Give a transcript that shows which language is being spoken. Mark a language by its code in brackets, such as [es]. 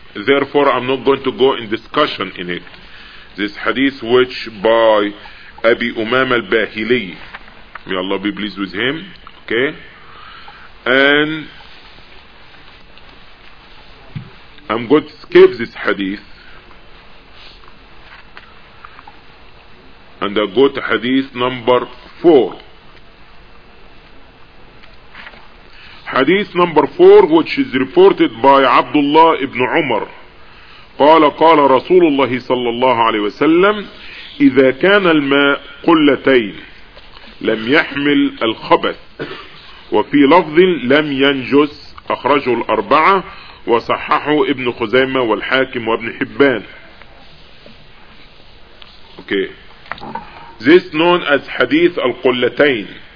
[en] Therefore, I'm not going to go in discussion in it. This hadith, which by Abi Umam al-Bahili, may Allah be pleased with him, okay, and I'm going to skip this hadith and I'll go to hadith number 4. Hadith number 4, which is reported by Abdullah ibn Umar. [ar] Qala qala Rasulullah sallallahu alayhi wa sallam, إذا كان الماء قلتين لم يحمل الخبث وفي لفظ لم ينجس أخرجه الأربعة وصححه ابن خزيمة والحاكم وابن حبان. [en] Okay, this known as hadith al-qullatayn.